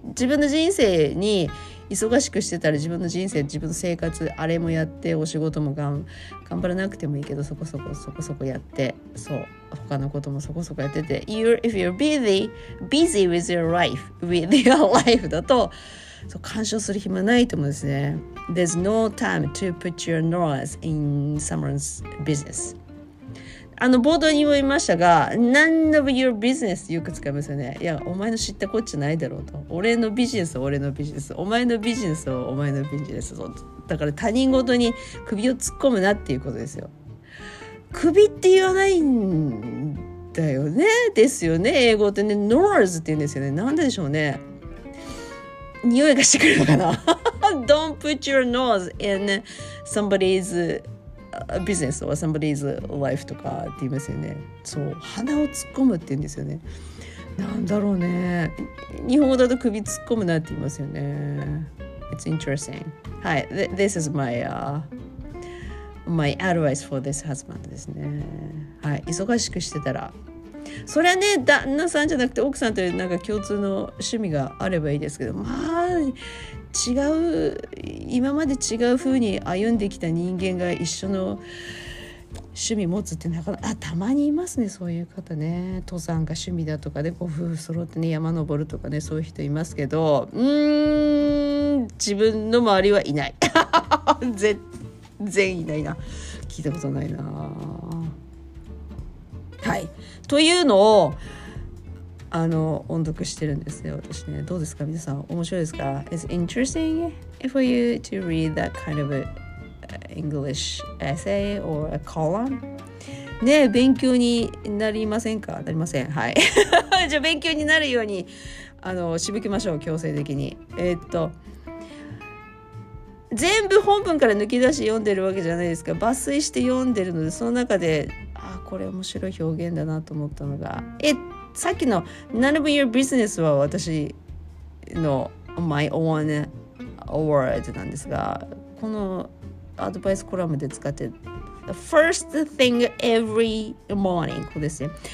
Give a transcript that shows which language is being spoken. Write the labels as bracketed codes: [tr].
[ja] 自分の人生に忙しくしてたら、自分の人生自分の生活あれもやって、お仕事も頑張らなくてもいいけど、そこそこやって、そう他のこともそこそこやってて、 [en] If you're busy with your life [ja] だと、そう干渉する暇ないと思うんですね。 [en] There's no time to put your nose in someone's business。 [ja] あの冒頭にも言いましたが、 [en] None of your business [ja] よく使いますよね。いや、お前の知ったこっちゃないだろうと、俺のビジネスお前のビジネスをお前のビジネスを、だから他人ごとに首を突っ込むなっていうことですよ。首って言わないんだよね、ですよね。英語ってね、ノーズって言うんですよね。なんででしょうね、匂いがしてくるのかな。 [en] Don't put your nose in somebody's business or somebody's life [ja] とかって言いますよね。そう、鼻を突っ込むって言うんですよね。なんだろうね、日本語だと首突っ込むなって言いますよね。 [en] It's interesting. Hi, this is my advice for this husband [ja] ですね。はい、忙しくしてたら、それはね、旦那さんじゃなくて奥さんというなんか共通の趣味があればいいですけど、まあ違う、今まで違う風に歩んできた人間が一緒の趣味持つってなかなか、たまにいますね、そういう方ね。登山が趣味だとかで、ね、ご夫婦揃ってね山登るとかね、そういう人いますけど、自分の周りはいない。全然いないな。聞いたことないな。はい、というのを音読してるんですよ、私ね。どうですか、皆さん面白いですか？ [en] It's interesting for you to read that kind of English essay or a column? [ja] ね、勉強になりませんか？なりません、はい。じゃあ勉強になるようにしぶきましょう、強制的に。全部本文から抜き出し読んでるわけじゃないですか。抜粋して読んでるので、その中でこれ面白い表現だなと思ったのが、さっきの [en] None of your business [ja] は私の [en] My own word [ja] なんですが、このアドバイスコラムで使って [en] The first thing every morning、 [ja] これですね。